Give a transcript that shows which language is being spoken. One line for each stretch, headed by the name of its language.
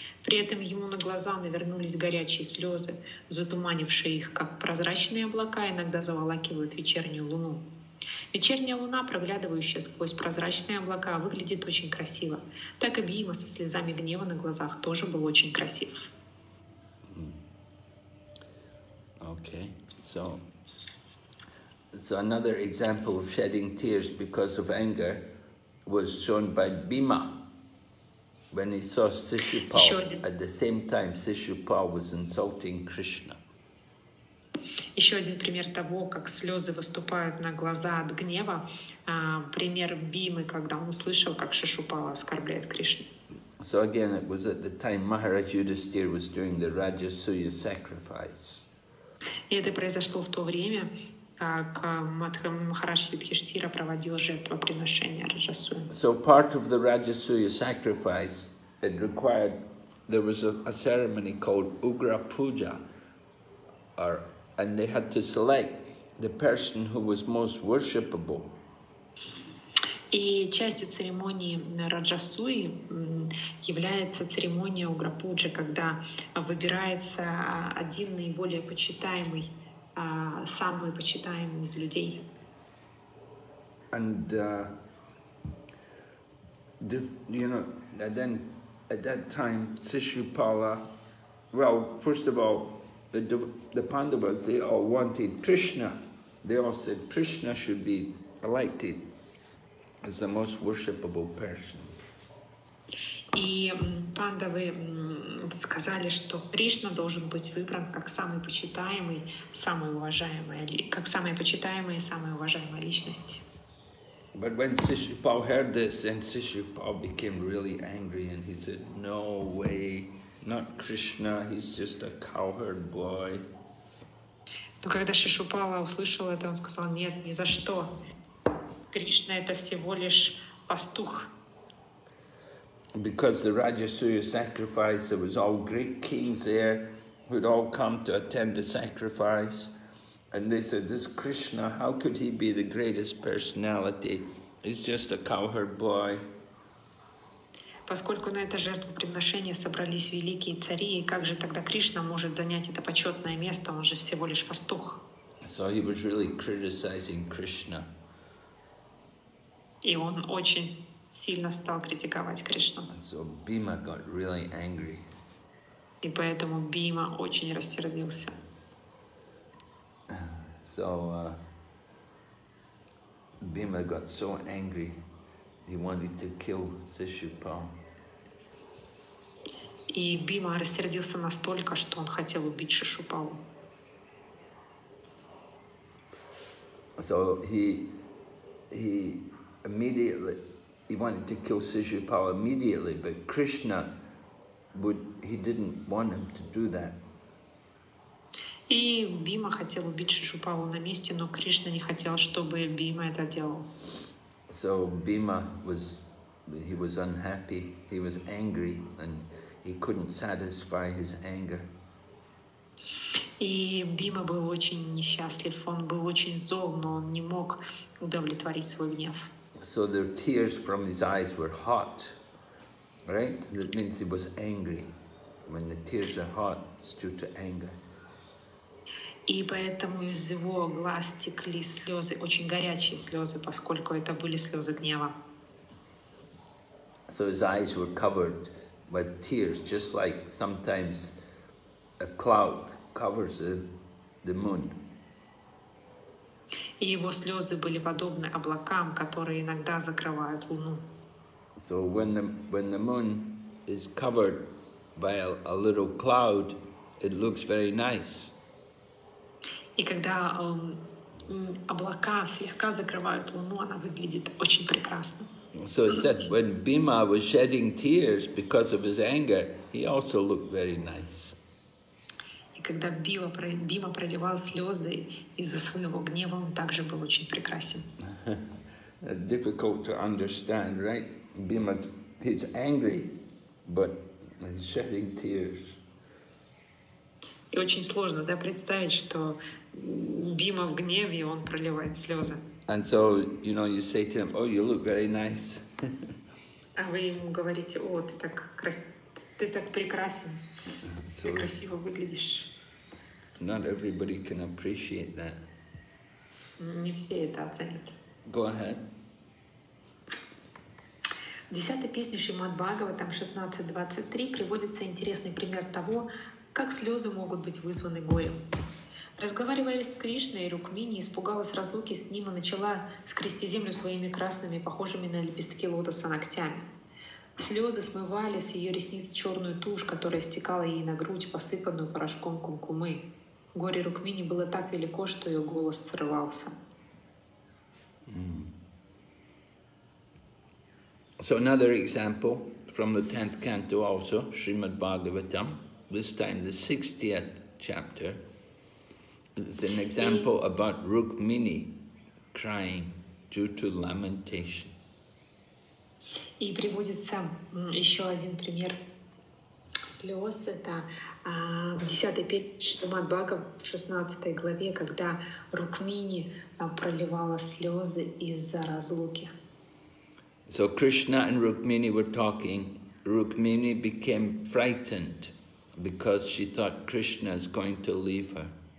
Russian: При этом ему на глаза навернулись горячие слезы, затуманившие их, как прозрачные облака иногда заволакивают вечернюю луну. Вечерняя луна, проглядывающая сквозь прозрачные облака, выглядит очень красиво. Так и Бхима со слезами гнева на глазах тоже был очень красив.
English: Okay, so another example of shedding tears because of anger was shown by Bhima when he saw Sishupal. At the same time, Sishupal was insulting Krishna.
Russian: Еще один пример того, как слезы выступают на глаза от гнева, пример Бхимы, когда он услышал, как Шишупала оскорбляет Кришну.
English: So again, it was at the time Maharaj Yudhisthira was doing the Rajasuya sacrifice.
Russian: И это произошло в то время, как Махарадж Юдхиштхира проводил жертвоприношение Раджасуи.
English: So part of the Rajasuya sacrifice, it required, there was a ceremony called Ugra Puja, or and they had to select the person who was most worshipable.
Russian: И частью церемонии Раджасуи является церемония Уграпуджа, когда выбирается один наиболее почитаемый, самый почитаемый из людей.
English: And then at that time Sishupala, well, first of all, the Pandavas, they all wanted Krishna. They all said Krishna should be elected as the most worshipable person.
Russian: И пандавы сказали, что Кришна должен быть выбран как самый почитаемый, самый уважаемый, как самая почитаемая и самая уважаемая личность.
English: But when Sishupal heard this, then Sishupal became really angry, and he said, "No way." Not Krishna, he's just a cowherd boy.
Russian: Но когда Шишупала услышал это, он сказал, нет, ни за что. Кришна — это всего лишь пастух.
English: Because the Rajasuya sacrifice, there was all great kings there who'd all come to attend the sacrifice. And they said, this Krishna, how could he be the greatest personality? He's just a cowherd boy.
Russian: Поскольку на это жертвоприношение собрались великие цари, и как же тогда Кришна может занять это почетное место? Он же всего лишь пастух.
English: So he was really criticizing Krishna.
Russian: И он очень сильно стал критиковать Кришну.
English: So Bhima got really angry.
Russian: И поэтому Бхима очень рассердился.
English: So Bhima got so angry, he wanted to kill Sishupala.
Russian: И Бхима рассердился настолько, что он хотел убить Шишупалу.
English: So he immediately, he wanted to kill Sishupala immediately, but Krishna would, he didn't want him to do that.
Russian: И Бхима хотел убить Шишупалу на месте, но Кришна не хотел, чтобы Бхима это делал.
English: So Bhima was, he was unhappy, he was angry, and he couldn't satisfy his anger.
Russian: И Бхима был очень несчастлив. Он был очень зол, но он не мог удовлетворить свой гнев.
English: So the tears from his eyes were hot, right? That means he was angry. When the tears are hot, it's due to anger.
Russian: И поэтому из его глаз текли слезы, очень горячие слезы, поскольку это были слезы гнева.
English: So his eyes were covered with tears, just like sometimes a cloud covers the moon.
Russian: И его слезы были подобны облакам, которые иногда закрывают луну.
English: So when the moon is covered by a little cloud, it looks very nice.
Russian: И когда облака слегка закрывают луну, она выглядит очень прекрасно.
English: So it said when Bhima was shedding tears because of his anger, he also looked very nice.
Russian: И когда Бима проливал слезы из-за своего гнева, он также был очень прекрасен.
English: Difficult to understand, right? Bhima, he's angry, but he's shedding tears.
Russian: И очень сложно, да, представить, что Бима в гневе, он проливает слезы.
English: And so, you know, you say to him, "Oh, you look very nice."
Russian: А вы ему говорите, "О, ты так прекрасен, ты красиво выглядишь."
English: Not everybody can appreciate that.
Russian: Не все это оценят.
English: Go ahead.
Russian: В 10-й песне Шримад-Бхагаватам 16.23 приводится интересный пример того, как слезы могут быть вызваны горем. Разговаривая с Кришной, Рукмини испугалась разлуки с ним и начала скрести землю своими красными, похожими на лепестки лотоса, ногтями. Слезы смывали с ее ресниц черную тушь, которая стекала ей на грудь, посыпанную порошком кумкумы. Горе Рукмини было так велико, что ее голос срывался.
English: So another example from the 10th canto also, Srimad Bhagavatam, this time the 60th chapter. It's an example about Rukmini crying due to lamentation.
Russian: И приводится еще один пример слез. Это в 10-й песне Шримад Бхага, в 16-й главе, когда Рукмини проливала слезы из-за разлуки.
English: So Krishna and Rukmini were talking. Rukmini became frightened because she thought Krishna is going to leave her.